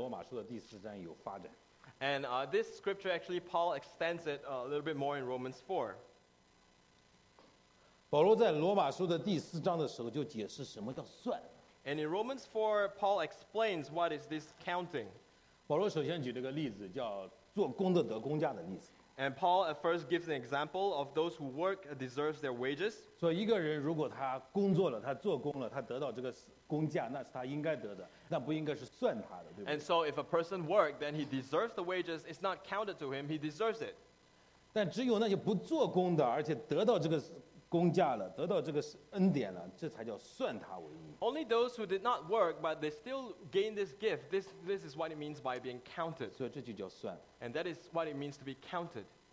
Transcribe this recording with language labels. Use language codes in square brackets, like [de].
[zh] 那其实这段经文在保罗在罗马书的第四章有发展。 [en] And this scripture actually Paul extends it a little bit more in Romans 4. [zh] 保罗在罗马书的第四章的时候就解释什么叫算。 [en] And in Romans 4, Paul explains what is this counting. [zh] 保罗首先举这个例子，叫做工的得工价的例子。 [en] And Paul first gives an example of those who work deserves their wages. [zh] 所以一个人如果他工作了，他做工了，他得到这个工价，那是他应该得的，那不应该是算他的，对不对？ [en] And so if a person worked, then he deserves the wages. It's not counted to him; he deserves it. [zh] 但只有那些不做工的，而且得到这个 工价了，得到这个恩典了，这才叫算他为义。 [en] Only those who did not work, but they still gain this gift. This is what it means by being counted. [zh] 所以这就叫算。 [en] And that is what it means to be counted.